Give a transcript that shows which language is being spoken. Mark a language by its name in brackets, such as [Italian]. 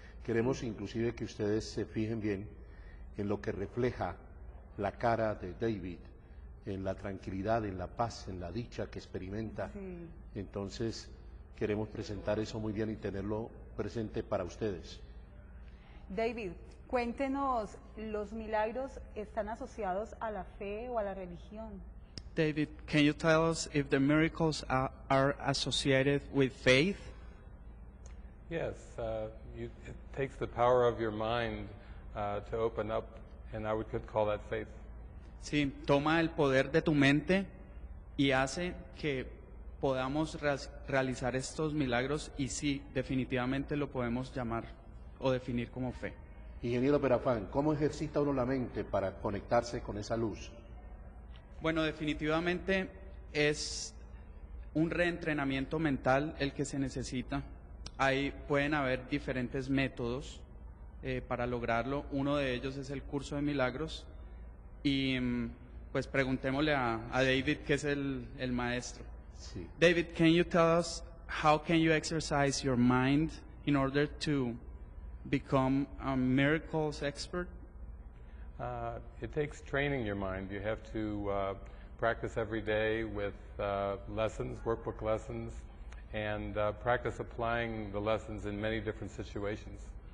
[Spanish] Queremos inclusive que ustedes se fijen bien en lo que refleja la cara de David, en la tranquilidad, en la paz, en la dicha que experimenta. Sí. Entonces, queremos presentar eso muy bien y tenerlo presente para ustedes. David, cuéntenos, ¿los milagros están asociados a la fe o a la religión? [English] David, can you tell us if the miracles are associated with faith? Yes, it takes the power of your mind to open up, and I could call that faith. [Spanish] Sí, toma el poder de tu mente y hace que podamos realizar estos milagros, y sí, definitivamente lo podemos llamar o definir como fe. Ingeniero Perafán, ¿cómo ejercita uno la mente para conectarse con esa luz? Bueno, definitivamente es un reentrenamiento mental el que se necesita. Ahí pueden haber diferentes métodos para lograrlo. Uno de ellos es el curso de milagros. Y pues preguntémosle a David, que es el maestro. Sí. [English] David, can you tell us how can you exercise your mind in order to become a miracles expert? It takes training your mind. You have to practice every day with lessons, workbook lessons, and practice applying the lessons in many different situations.